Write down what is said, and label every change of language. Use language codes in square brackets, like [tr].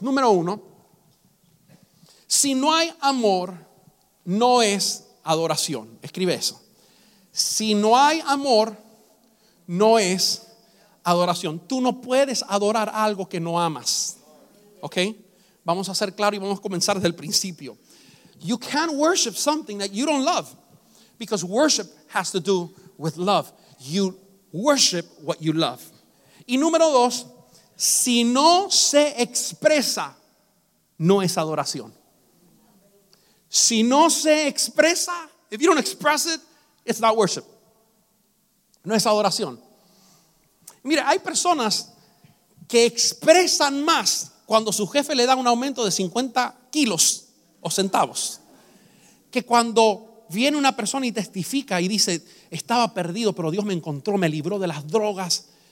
[es] Número uno, si no hay amor, no es adoración. Escribe eso. Si no hay amor, no es adoración. Tú no puedes adorar algo que no amas. ¿Ok? Vamos a ser claros y vamos a comenzar desde el principio. [en] You can't worship something that you don't love, because worship has to do with love. You worship what you love. [es] Y número dos, si no se expresa, no es adoración. Si no se expresa, [en] if you don't express it, it's not worship. [es] No es adoración. Mira, hay personas que expresan más cuando su jefe le da un aumento de 50 kilos o centavos, que cuando viene una persona y testifica y dice: estaba perdido, pero Dios me encontró, me libró de las drogas.